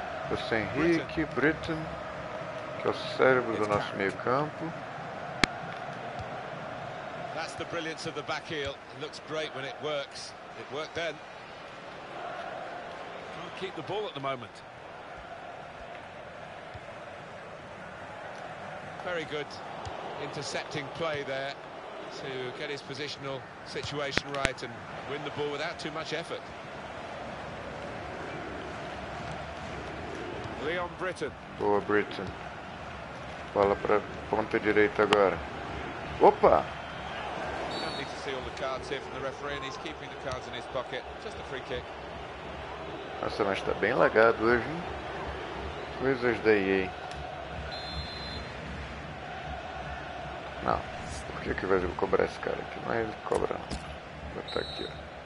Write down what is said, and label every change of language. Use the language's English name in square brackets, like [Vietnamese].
[Portuguese] José Henrique, Britton, que é o cérebro do nosso meio campo. [English] That's the brilliance of the back heel. It looks great when it works. It worked then. Can't keep the ball at the moment. Very good intercepting play there to get his positional situation right and win the ball without too much effort. Leon Britton. [Portuguese] Boa, Britton. Bola para ponta direita agora. Opa! [English] Don't need to see all the cards here from the referee, and he's keeping the cards in his pocket. Just a free kick. [Portuguese] Nossa, mas está bem lagado hoje, hein? Coisas da EA. Não. Por que que vai cobrar esse cara aqui? Não é ele que cobra, não. Vou botar aqui, ó.